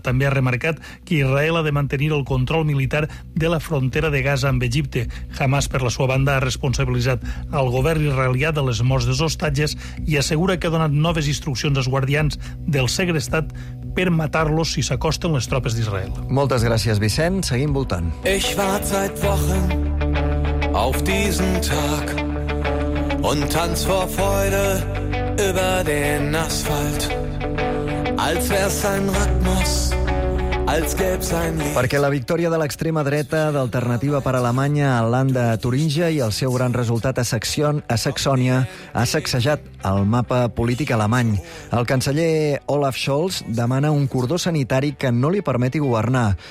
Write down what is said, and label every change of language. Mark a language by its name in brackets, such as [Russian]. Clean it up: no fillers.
[Catalan] També ha remarcat que Israel ha de mantenir el control militar de la frontera de Gaza amb Egipte. Hamas, per la seva banda, ha responsabilitzat el govern israelià de les morts dels hostatges i assegura que ha donat noves instruccions als guardians del segrestat per matar-los si s'acosten les tropes d'Israel. Moltes gràcies, Vicent. Seguim voltant. [German] Ich war seit Wochen auf diesen Tag und tanz vor Freude über den Asphalt, als wär's ein Rhythmus. [Catalan] Perquè la victòria de l'extrema dreta d'Alternativa per Alemanya a Landa a Turingia i el seu gran resultat a Saxònia ha sacsejat el mapa polític alemany. El canceller Olaf Scholz demana un cordó sanitari que no li permeti governar.